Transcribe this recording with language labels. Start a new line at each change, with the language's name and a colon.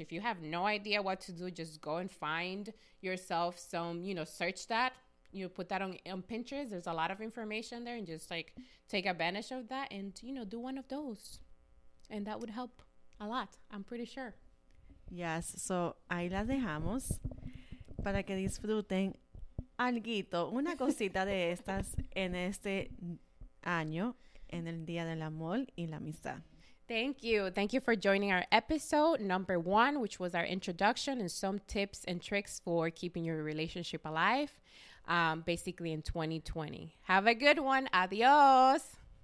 English: If you have no idea what to do, just go and find yourself some, you know, search that. You put that on Pinterest. There's a lot of information there. And just, like, take advantage of that and, you know, do one of those. And that would help a lot, I'm pretty sure. Yes.
Spanish: So, ahí las dejamos para que disfruten alguito, una cosita de estas en este año, en el Día del Amor y la Amistad.
English: Thank you. Thank you for joining our episode number one, which was our introduction and some tips and tricks for keeping your relationship alive, basically in 2020. Have a good one. Adios.